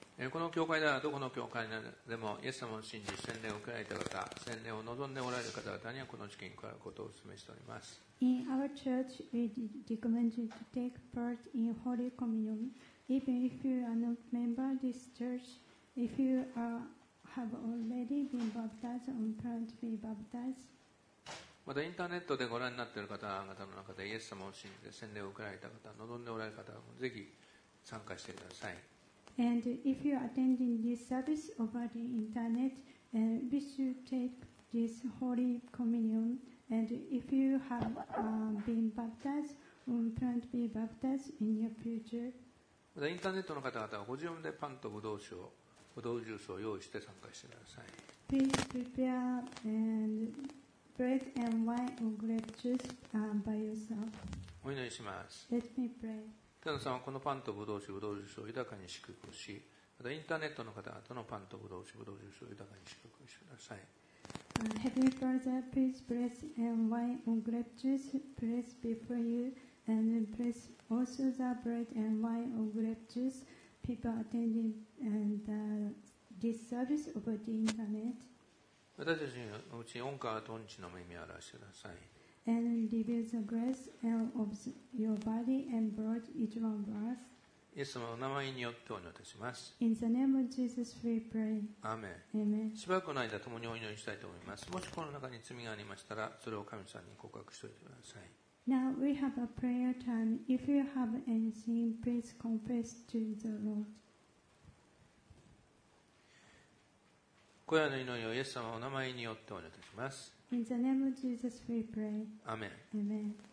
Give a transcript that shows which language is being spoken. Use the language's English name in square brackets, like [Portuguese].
[Japanese] この教会ではどこの教会でもイエス様を信じ洗礼を受けられた方、洗礼を望んでおられる方々にはこの式に加わることをお勧めしております。 [English] In our church, we recommend you to take part in Holy Communion. Even if you are not a member of this church, if you have already been baptized or plan to be baptized. [Japanese] またインターネットでご覧になっている方々の中でイエス様を信じて洗礼を受けられた方、望んでおられる方もぜひ参加してください。 [English] And if you are attending this service over the internet, we should take this Holy Communion. And if you have been baptized or plan to be baptized in your future, [Japanese] インターネットの方々はご自分でパンとブドウジュースを用意して参加してください。 [English] Please prepare and bread and wine or grape juice by yourself. [Japanese] お祈りします。 [English] Let me pray. [Japanese] 天の様はこのパンとブドウジュースを豊かに祝福し、またインターネットの方々のパンとブドウジュースを豊かに祝福してください。 [English] Heavenly Father, please bless and wine and grape juice placed before you, and bless also the bread and wine and grape juice. people attending and, this service over the internet. [Japanese] 私たちのうち恩賀と恩知の恵みを表してください。 [English] And reveal the grace of your body and blood, each one of us. [Japanese] イエス様の名前によってお祈りいたします。 [English] In the name of Jesus, we pray. Amen. Amen. [Japanese] しばらくの間、共にお祈りしたいと思います。もしこの中に罪がありましたら、それを神様に告白しておいてください。 [English] Now we have a prayer time. If you have anything, please confess to the Lord. [Japanese] 今夜の祈りをイエス様のお名前によってお祈りします。 [English] In the name of Jesus we pray. Amen. Amen.